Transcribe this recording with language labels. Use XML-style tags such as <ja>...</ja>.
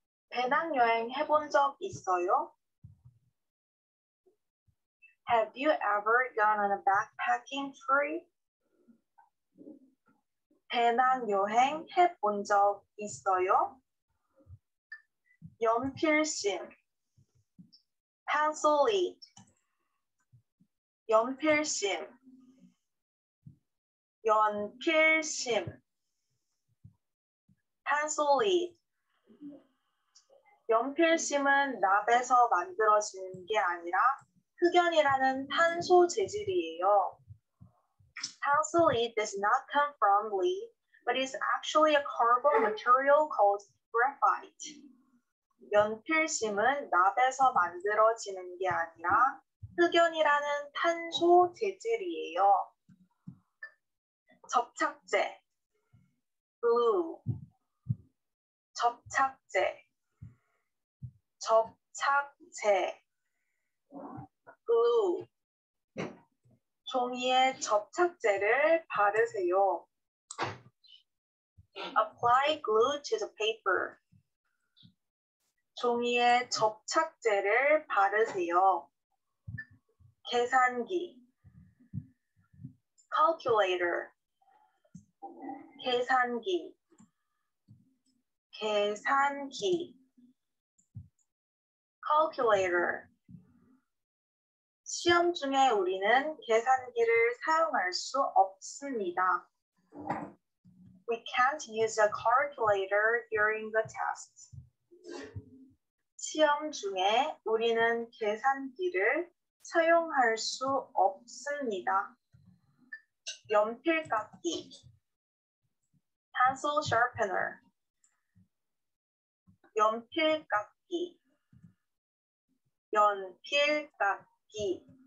<ko>배낭여행 해본 적 있어요?</ko> <en>Have you ever gone on a backpacking trip?</en> <ko>배낭여행 해본 적 있어요? 연필심. Pencil lead. 연필심. 연필심.</ko> <en>Pencil lead.</en> <ko>연필심은 납에서 만들어지는 게 아니라 흑연이라는 탄소 재질이에요.</ko> <en>Pencil lead does not come from lead, but is actually a carbon material called graphite.</en> <ko>연필심은 납에서 만들어지는 게 아니라 흑연이라는 탄소 재질이에요. 접착제. Glue. 접착제. 접착제. Glue. 종이에 접착제를 바르세요.</ko> <en>Apply glue to the paper.</en> <ko>종이에 접착제를 바르세요. 계산기. Calculator. 계산기. 계산기.</ko> <en>Calculator.</en> <ko>시험 중에 우리는 계산기를 사용할 수 없습니다.</ko> <en>We can't use a calculator during the test.</en> <ko>시험 중에 우리는 계산기를 사용할 수 없습니다.</ko> <en>연필깎이. Pencil sharpener.</en> <ko>연필깎이. 연필깎이.</ko>